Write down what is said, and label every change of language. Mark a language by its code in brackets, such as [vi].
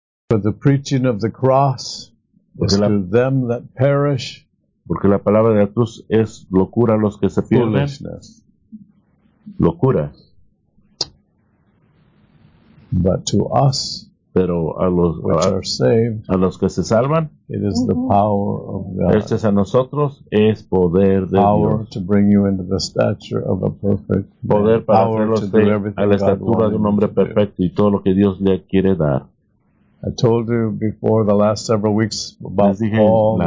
[en] For the preaching of the cross is to them that perish. [es] Porque la palabra de la cruz es locura a los que se pierden. Locura. [en] But to us, [es] pero a los, [en] which are saved, [es] a los que se salvan, [en] it is the power of God. [es] Este es a nosotros, es poder de [en] power [es] Dios. [en] To bring you into the stature of a perfect man. [es] Poder para power hacerlos [en] to do [es] a la estatura de un hombre perfecto y todo lo que Dios le quiere dar. [en] I told you before the last several weeks about Paul.